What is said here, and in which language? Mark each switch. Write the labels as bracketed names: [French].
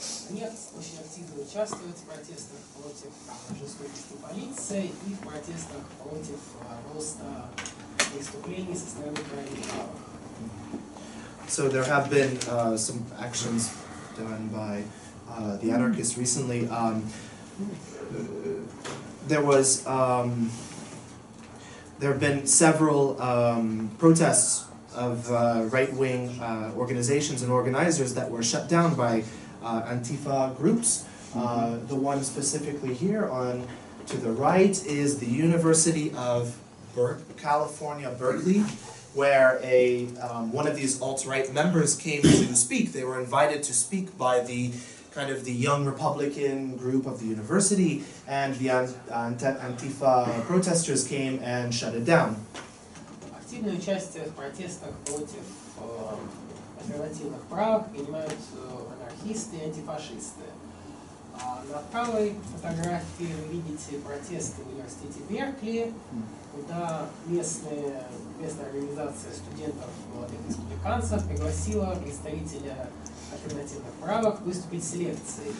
[Russian] Они очень активно участвуют в протестах против жестокости полиции и в протестах против роста преступлений со стороны крайних правых. [English] So there have been some actions done by the anarchists recently. There have been several protests of right-wing organizations and organizers that were shut down by Antifa groups. The one specifically here on to the right is the University of California, Berkeley, where a one of these alt-right members came to speak. They were invited to speak by the kind of the young Republican group of the university, and the Antifa protesters came and shut it down. [Russian] Активное участие в протестах против альтернативных правых принимают анархисты и антифашисты. На правой фотографии вы видите протесты в университете Беркли, куда местная организация студентов и республиканцев пригласила представителя альтернативных правых выступить с лекцией.